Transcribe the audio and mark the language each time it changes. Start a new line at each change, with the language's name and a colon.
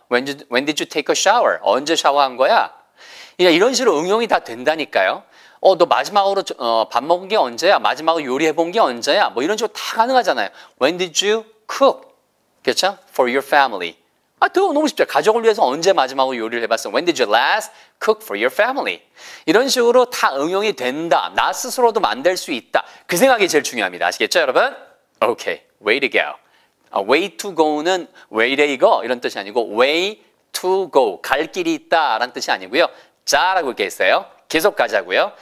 English: When did you take a shower?
Korean: 언제 샤워한 거야? 이런 식으로 응용이 다 된다니까요. 너 마지막으로 밥 먹은 게 언제야? 마지막으로 요리해본 게 언제야? 뭐 이런 식으로 다 가능하잖아요.
English: When did you cook?
Korean: 그렇죠?
English: For your family.
Korean: 아, 더 너무 쉽죠. 가족을 위해서 언제 마지막으로 요리를 해봤어?
English: When did you last cook for your family?
Korean: 이런 식으로 다 응용이 된다. 나 스스로도 만들 수 있다. 그 생각이 제일 중요합니다. 아시겠죠, 여러분?
English: Okay, way to go. Way to go는 where to go
Korean: 이런 뜻이 아니고
English: way to go,
Korean: 갈 길이 있다라는 뜻이 아니고요. 자라고 이렇게 했어요. 계속 가자고요.